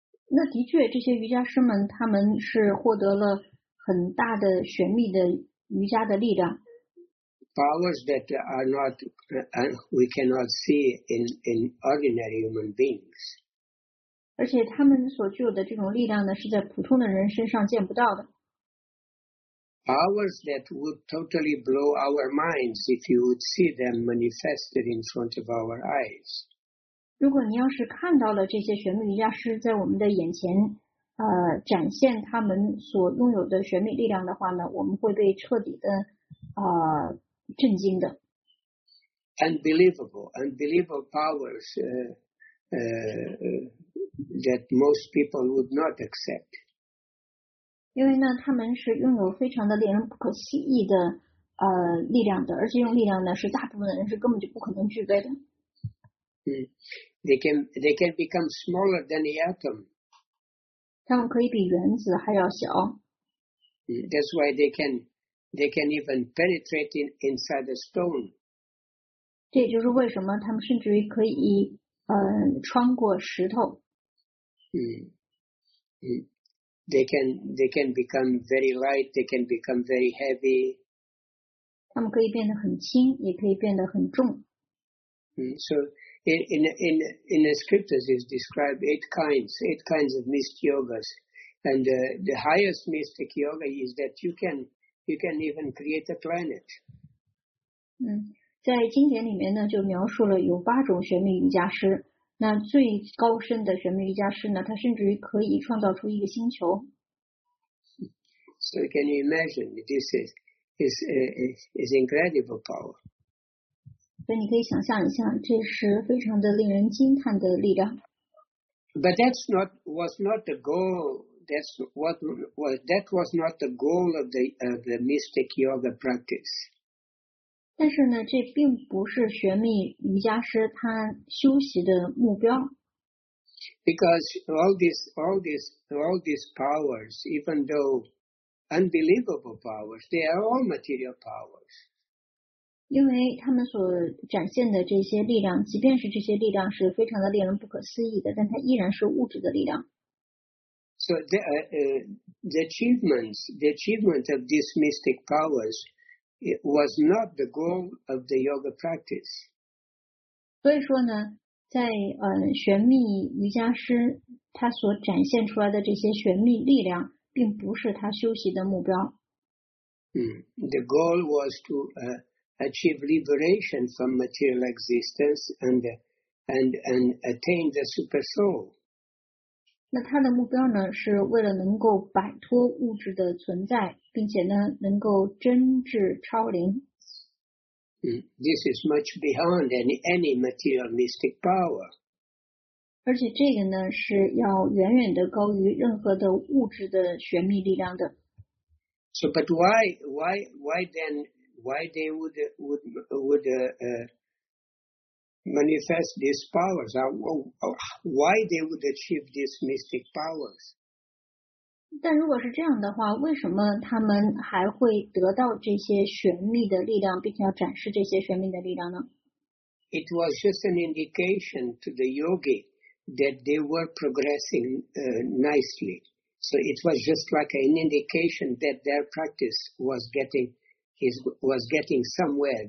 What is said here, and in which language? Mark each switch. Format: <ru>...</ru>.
<zh>那的确，这些瑜伽师们他们是获得了很大的玄秘的瑜伽的力量。</zh> <en>Powers that are not we cannot see in ordinary human beings.</en> <zh>而且他们所具有的这种力量呢，是在普通的人身上见不到的。</zh> <en>Powers that would totally blow our minds if you would see them manifested in front of our eyes.</en> <zh>如果你要是看到了这些玄秘瑜伽师在我们的眼前展现他们所拥有的玄秘力量的话呢，我们会被彻底的震惊的。</zh> <en>Unbelievable powers that most people would not accept.</en> <zh>因为呢，他们是拥有非常的令人不可思议的力量的，而且用力量呢是大部分的人是根本就不可能具备的。</zh> <en>They can become smaller than the atom.</en> <zh>他们可以比原子还要小。</zh> <en>That's why they can even penetrate inside a stone.</en> <zh>这也就是为什么他们甚至于可以穿过石头。</zh> <en>They can become very light. They can become very heavy.</en> <zh>他们可以变得很轻，也可以变得很重。</zh> <en>So. In the scriptures is described eight kinds of mystic yogas, and the highest mystic yoga is that you can even create a planet.</en> <zh>在经典里面呢，就描述了有八种玄秘瑜伽师。那最高深的玄秘瑜伽师呢，他甚至于可以创造出一个星球。</zh> <en>So can you imagine this is incredible power.</en> <zh>所以你可以想象一下，这是非常的令人惊叹的力量。</zh> <en>But that was not the goal. That was not the goal of the mystic yoga practice.</en> <zh>但是呢，这并不是玄秘瑜伽师他修习的目标。</zh> <en>Because all these powers, even though unbelievable powers, they are all material powers.</en> <zh>因为他们所展现的这些力量，即便是这些力量是非常的令人不可思议的，但它依然是物质的力量。</zh> <en>So the achievement of these mystic powers, it was not the goal of the yoga practice.</en> <zh>所以说呢，在玄秘瑜伽师他所展现出来的这些玄秘力量，并不是他修习的目标。</zh> <en>The goal was to achieve liberation from material existence and attain the super soul.</en> <zh>那他的目标呢，是为了能够摆脱物质的存在，并且呢，能够真至超灵。</zh> <en>This is much beyond any material mystic power.</en> <zh>而且这个呢，是要远远的高于任何的物质的玄秘力量的。</zh> <en>So, but why then, why they would manifest these powers? Why they would achieve these mystic powers?</en> <zh>但如果是这样的话，为什么他们还会得到这些玄秘的力量，并且要展示这些玄秘的力量呢？</zh> <en>It was just an indication to the yogi that they were progressing nicely. So it was just like an indication that their practice was getting somewhere.</en>